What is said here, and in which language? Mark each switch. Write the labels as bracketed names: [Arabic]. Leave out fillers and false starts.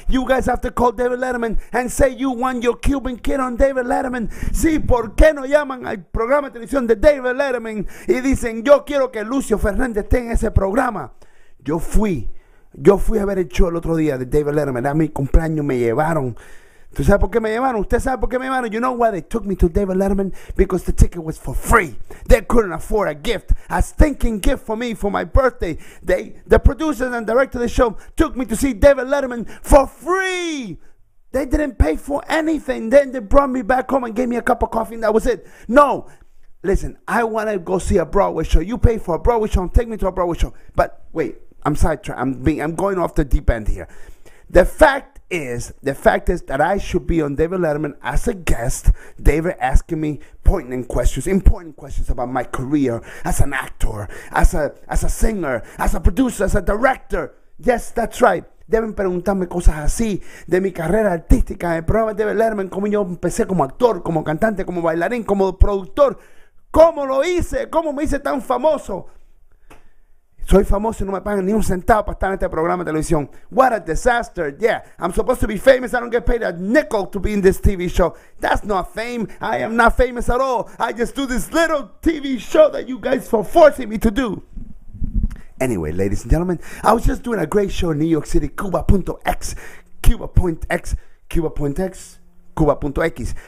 [English] You guys have to call David Letterman and say you want your Cuban Kid on David Letterman. [Spanish] Sí, ¿por qué no llaman al programa de televisión de David Letterman? Y dicen, yo quiero que Lucio Fernández esté en ese programa. Yo fui a ver el show el otro día de David Letterman. A mi cumpleaños me llevaron. ¿Tú sabes por qué me llevaron? ¿Usted sabe por qué me llevaron? [English] You know why they took me to David Letterman? Because the ticket was for free. They couldn't afford a gift, a stinking gift for me for my birthday. The producers and director of the show took me to see David Letterman for free. They didn't pay for anything. Then they brought me back home and gave me a cup of coffee and that was it. No, listen, I want to go see a Broadway show. You pay for a Broadway show and take me to a Broadway show. But wait, I'm sidetracked. I'm going off the deep end here. The fact is that I should be on David Letterman as a guest, David asking me important questions about my career as an actor, as a singer, as a producer, as a director. Yes, that's right. [Spanish] Deben preguntarme cosas así de mi carrera artística, el programa de David Letterman, cómo yo empecé como actor, como cantante, como bailarín, como productor. ¿Cómo lo hice? ¿Cómo me hice tan famoso? Soy famoso y no me pagan ni un centavo para estar en este programa de televisión. [English] What a disaster. Yeah, I'm supposed to be famous. I don't get paid a nickel to be in this TV show. That's not fame. I am not famous at all. I just do this little TV show that you guys are forcing me to do. Anyway, ladies and gentlemen, I was just doing a great show in New York City, Cuba.x. Cuba.x. Cuba.x. Cuba.x.